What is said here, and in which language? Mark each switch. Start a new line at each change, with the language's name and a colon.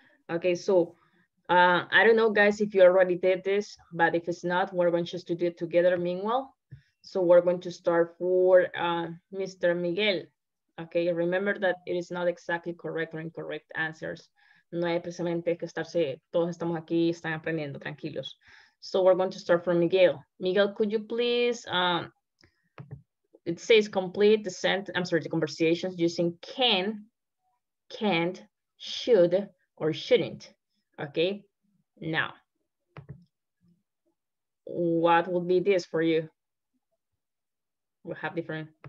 English: Okay, so I don't know guys if you already did this, but if it's not, we're going just to do it together meanwhile. So we're going to start for Mr. Miguel. Okay, remember that it is not exactly correct or incorrect answers.
Spanish: No hay precisamente que estarse, todos estamos aquí, están aprendiendo, tranquilos.
English: So we're going to start from Miguel. Miguel, could you please, it says complete the sentence, I'm sorry, the conversations using can, can't, should, or shouldn't, okay? Now, what would be this for you? We'll have different.